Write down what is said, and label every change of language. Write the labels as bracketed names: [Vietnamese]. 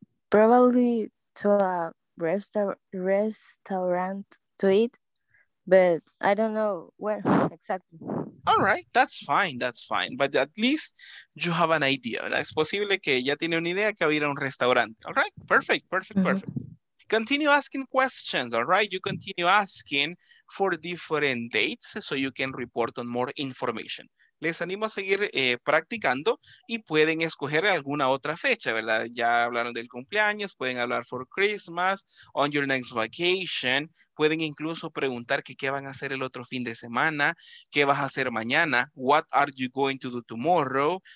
[English] Probably to a restaurant to eat, but I don't know where exactly. All right, that's fine. But at least you have an idea. [Spanish] Es posible que ya tiene una idea que va a ir a un restaurante. [English] All right, perfect. Continue asking questions, all right? You continue asking for different dates so you can report on more information. [Spanish] Les animo a seguir practicando y pueden escoger alguna otra fecha, ¿verdad? Ya hablaron del cumpleaños, pueden hablar [English] for Christmas, on your next vacation. [Spanish] Pueden incluso preguntar que qué van a hacer el otro fin de semana, qué vas a hacer mañana, [English] what are you going to do tomorrow?